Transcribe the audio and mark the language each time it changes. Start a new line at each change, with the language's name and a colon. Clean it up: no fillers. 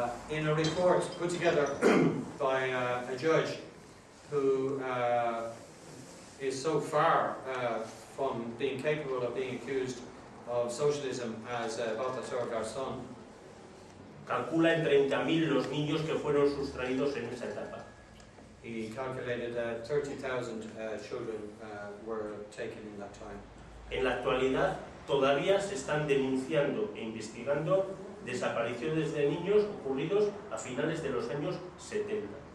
English: In a report put together by a judge who is so far from being capable of being accused of socialism as Baltasar Garzón,
Spanish: calcula en 30.000 los niños que fueron sustraídos en esa etapa.
English: He calculated that 30,000 children were taken in that time.
Spanish: En la actualidad todavía se están denunciando e investigando desapariciones de niños ocurridos a finales de los años 70.